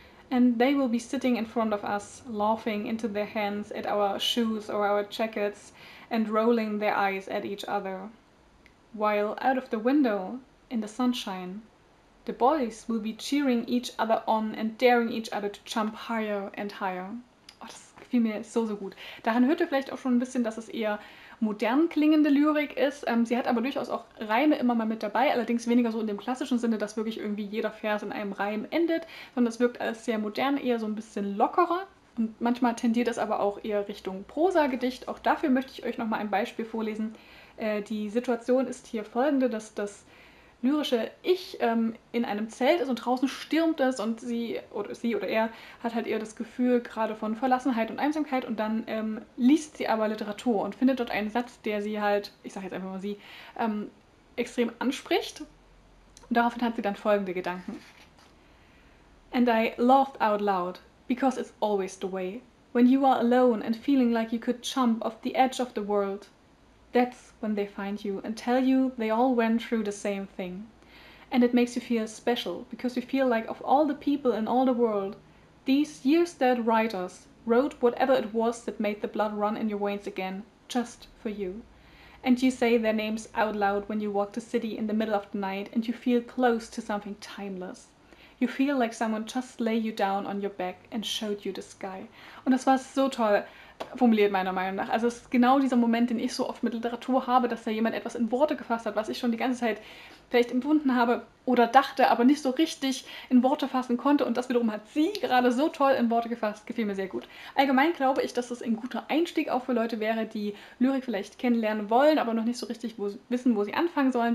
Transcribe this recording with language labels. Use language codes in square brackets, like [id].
[en] And they will be sitting in front of us, laughing into their hands at our shoes or our jackets and rolling their eyes at each other. While out of the window, in the sunshine, the boys will be cheering each other on and daring each other to jump higher and higher. [de] Oh, das gefiel mir so, so gut. Daran hört ihr vielleicht auch schon ein bisschen, dass es eher modern klingende Lyrik ist. Sie hat aber durchaus auch Reime immer mal mit dabei, allerdings weniger so in dem klassischen Sinne, dass wirklich irgendwie jeder Vers in einem Reim endet, sondern es wirkt alles sehr modern, eher so ein bisschen lockerer. Und manchmal tendiert es aber auch eher Richtung Prosa-Gedicht. Auch dafür möchte ich euch nochmal ein Beispiel vorlesen. Die Situation ist hier folgende, dass das lyrische Ich in einem Zelt ist und draußen stürmt es und sie oder er hat halt eher das Gefühl gerade von Verlassenheit und Einsamkeit und dann liest sie aber Literatur und findet dort einen Satz, der sie halt, ich sag jetzt einfach mal sie, extrem anspricht. Und daraufhin hat sie dann folgende Gedanken. [en] And I laughed out loud, because it's always the way. When you are alone and feeling like you could jump off the edge of the world, that's when they find you and tell you they all went through the same thing. And it makes you feel special, because you feel like of all the people in all the world, these years dead writers wrote whatever it was that made the blood run in your veins again, just for you. And you say their names out loud when you walk the city in the middle of the night and you feel close to something timeless. You feel like someone just lay you down on your back and showed you the sky. [de] Und das war so toll formuliert, meiner Meinung nach. Also es ist genau dieser Moment, den ich so oft mit Literatur habe, dass da jemand etwas in Worte gefasst hat, was ich schon die ganze Zeit vielleicht empfunden habe oder dachte, aber nicht so richtig in Worte fassen konnte. Und das wiederum hat sie gerade so toll in Worte gefasst. Gefiel mir sehr gut. Allgemein glaube ich, dass das ein guter Einstieg auch für Leute wäre, die Lyrik vielleicht kennenlernen wollen, aber noch nicht so richtig wissen, wo sie anfangen sollen.